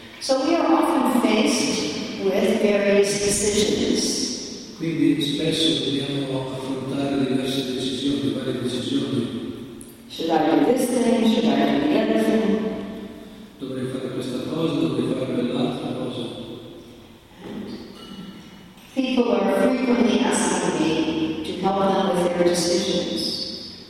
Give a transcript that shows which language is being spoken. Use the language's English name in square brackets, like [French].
[English] So we are often faced with various decisions. [Italian] Quindi spesso dobbiamo affrontare diverse decisioni, varie decisioni. [English] Should I do this thing? Should I do the other thing? [Italian] Dovrei fare questa cosa, dovrei fare quell'altra cosa. [English] People are frequently asking me to help them with their decisions.